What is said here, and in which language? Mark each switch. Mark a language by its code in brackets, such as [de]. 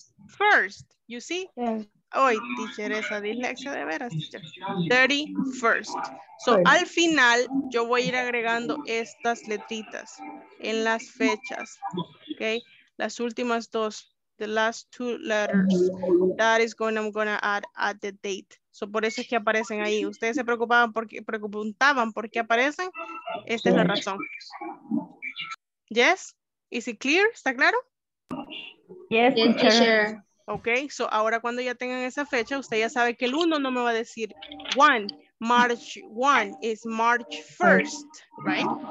[en] First. You see? Yes. [es] Hoy, teacher, esa dislexia de veras, teacher. [en] 31st. So, first. [es] Al final, yo voy a ir agregando estas letritas en las fechas. [en] Ok. [es] Las últimas dos. [en] The last two letters. That is going, I'm going to add at the date. [es] So, por eso es que aparecen ahí. Ustedes se preocupaban porque, preguntaban por qué aparecen. Esta es la razón. [en] Yes? Is it clear? [es] ¿Está claro? [en] Yes, teacher. [es] Ok, so ahora cuando ya tengan esa fecha, usted ya sabe que el 1 no me va a decir 1 March 1, es [en] March 1st, right?